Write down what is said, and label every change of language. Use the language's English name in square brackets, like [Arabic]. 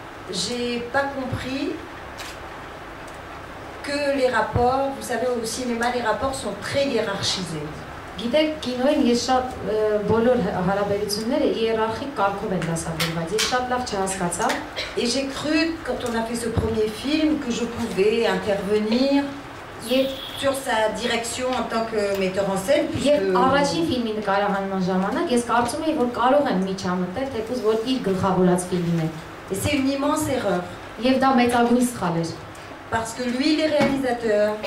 [French] J'ai pas compris que les rapports, vous savez, au cinéma, les rapports sont très hiérarchisés. [Armenian] Գիտեք, կինոյն ես շատ բոլոր հարաբերությունները իերարխիկ կարգով են դասավորված, ես շատ լավ չհասկացա։ [French] Et j'ai cru quand on a fait ce premier film que je pouvais intervenir sur sa direction en tant que metteur en scène, puisque... [Armenian] Եվ առաջին ֆիլմի նկարահանման ժամանակ ես կարծում էի, որ կարող եմ միջամտել, թեպուզ որ իր գլխավորած ֆիլմն է։ [French] Et c'est une immense erreur. [Armenian] Եվ դա մեծագույն սխալ էր։ [French] Parce que lui, il est réalisateur.